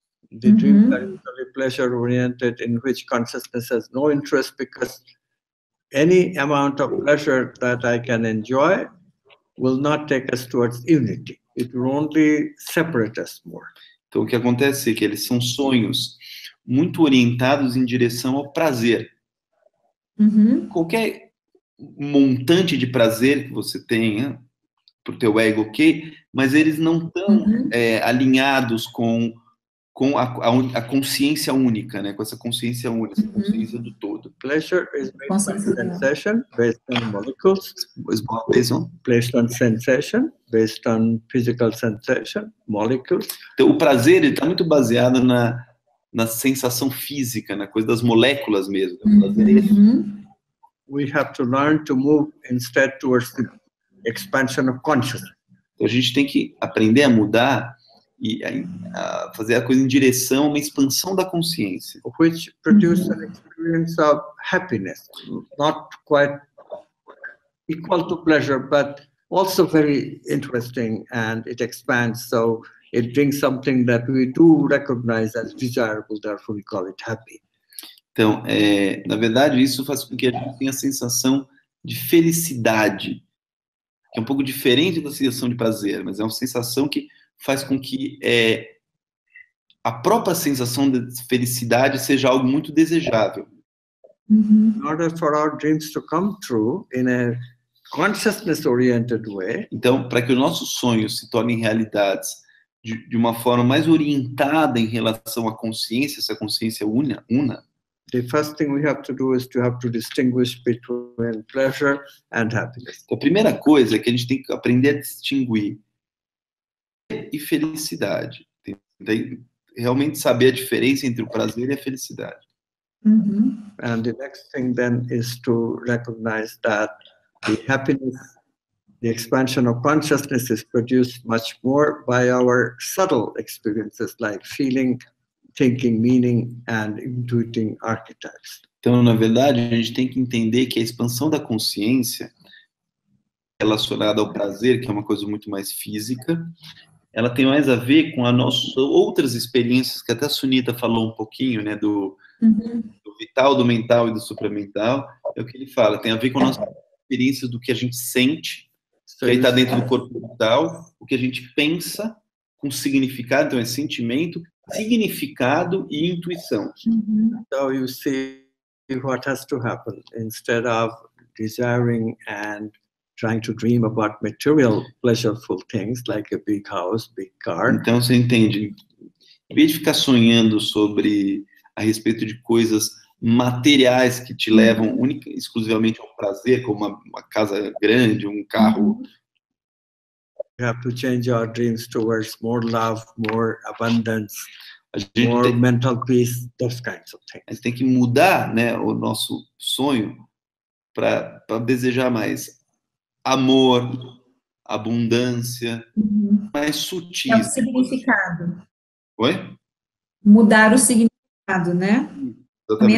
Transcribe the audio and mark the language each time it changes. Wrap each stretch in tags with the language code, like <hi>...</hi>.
<en>The dream is only pleasure-oriented in which consciousness has no interest because any amount of pleasure that I can enjoy will not take us towards unity. It will only separate us more.</en> <pt>Então, o que acontece é que eles são sonhos muito orientados em direção ao prazer. Uhum. Qualquer montante de prazer que você tenha, pro teu ego, ok, mas eles não estão alinhados com a consciência única, né? Com essa consciência única, essa consciência do todo.</pt> <en>Pleasure is based on sensation, based on molecules. Based on sensation, based on physical sensation, molecules.</en> <pt>Então, o prazer está muito baseado na sensação física, na coisa das moléculas mesmo. Uhum.</pt> <en>We have to learn to move instead towards the expansion of consciousness.</en> <pt>Então, a gente tem que aprender a mudar e a fazer a coisa em direção a uma expansão da consciência.</pt> <en>Which produce an experience of happiness, not quite equal to pleasure, but also very interesting, and it expands, so it brings something that we do recognize as desirable, therefore we call it happy.</en> <pt>Então, na verdade, isso faz com que a gente tenha a sensação de felicidade, que é um pouco diferente da sensação de prazer, mas é uma sensação que faz com que a própria sensação de felicidade seja algo muito desejável.</pt> <en>In order for our dreams to come true in a consciousness-oriented way.</en> <pt>Então, para que os nossos sonhos se tornem realidades de uma forma mais orientada em relação à consciência, essa consciência una.</pt> <en>The first thing we have to do is to have to distinguish between pleasure and happiness.</en> <pt>Então, a primeira coisa é que a gente tem que aprender a distinguir prazer e felicidade. Tem que realmente saber a diferença entre o prazer e a felicidade. Uh-huh.</pt> <en>And the next thing then is to recognize that the happiness, the expansion of consciousness is produced much more by our subtle experiences like feeling, thinking, meaning, and intuiting archetypes.</en> <pt>Então, na verdade, a gente tem que entender que a expansão da consciência relacionada ao prazer, que é uma coisa muito mais física, ela tem mais a ver com as nossas outras experiências, que até a Sunita falou um pouquinho, né, do vital, do mental e do supramental. É o que ele fala, tem a ver com as nossas experiências do que a gente sente, que aí está dentro do corpo mental, o que a gente pensa com significado, então é sentimento, significado e intuição. Então,</pt> <en>you see what has to happen instead of desiring and trying to dream about material pleasureful things like a big house, big car.</en> <pt>Então, você entende, em vez de ficar sonhando sobre a respeito de coisas materiais que te levam única e exclusivamente ao prazer, como uma casa grande, um carro.</pt> <en>We have to change our dreams towards more love, more abundance, more mental peace, those kinds of things.</en> <pt>A gente tem que mudar, né, o nosso sonho para desejar mais amor, abundância, mais sutil. É o significado. Oi? Mudar o significado, né? Exatamente.</pt>